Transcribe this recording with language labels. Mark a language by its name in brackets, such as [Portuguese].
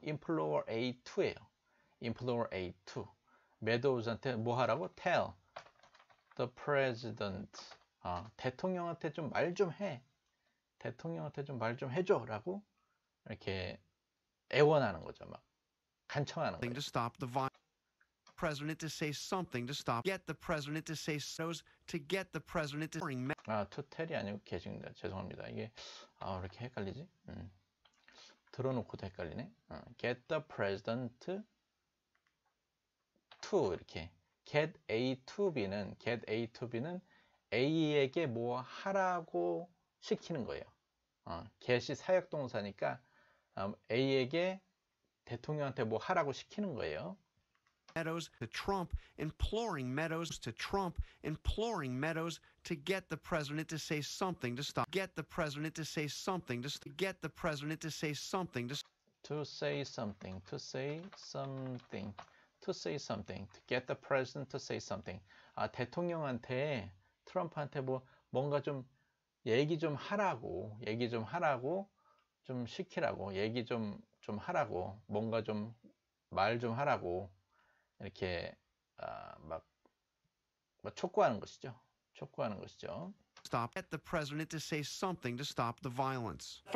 [English] Implore A2예요. Implore A2. [Korean] 매도우스한테 뭐하라고? [English] Tell the president, [Korean] 대통령한테 좀 말 좀 해. 대통령한테 좀 말 좀 해줘. 라고 이렇게 애원하는 거죠. 막 간청하는 거예요. [English] To stop the president to say something to stop. Get the president to say so. To get the president to bring. [Korean] 투 텔이 아니고 계신데 죄송합니다. 이게 왜 이렇게 헷갈리지? 들어놓고도 헷갈리네. [English] Get the president to [Korean] 이렇게. Get A to B는 Get A to B는 A에게 뭐 하라고 시키는 거예요. Get이 사역동사니까 A에게 대통령한테 뭐 하라고 시키는 거예요. [English] Meadows to Trump, imploring Meadows to Trump, imploring Meadows to get the president to say something to stop. Get the president to say something to stop. Get the president to say something to. To say something. To say something. To say something, to get the president to say something. [Korean] 대통령한테, 트럼프한테 뭐 뭔가 좀 얘기 좀 하라고, 얘기 좀 하라고, 좀 시키라고, 얘기 좀 하라고, 뭔가 좀 말 좀 하라고 이렇게 막 촉구하는 것이죠. 촉구하는 것이죠. [English] Stop. Get the president to say something to stop the violence.